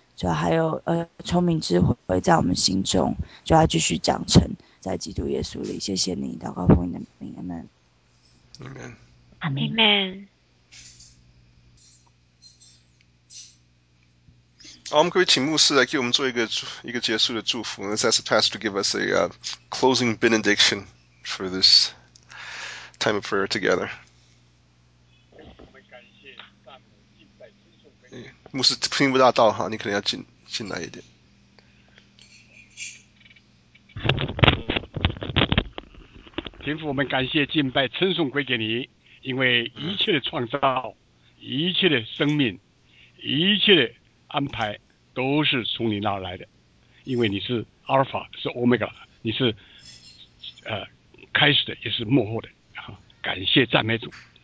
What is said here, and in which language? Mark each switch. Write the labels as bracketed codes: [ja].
[zh] 主要还有聪明智慧在我们心中，主要继续长成在基督耶稣里。谢谢你，祷告奉你的名，阿门。阿门。阿门。好，我们可以请牧师来给我们做一个结束的祝福。 [en] Let's ask the pastor to give us a closing benediction for this time of prayer together. [zh] 牧师听不大到哈，你可能要进来一点。天父，我们感谢敬拜称颂归给你，因为一切的创造、一切的生命、一切的安排都是从你那儿来的，因为你是阿尔法，是欧米伽，你是开始的，也是幕后的。感谢赞美主。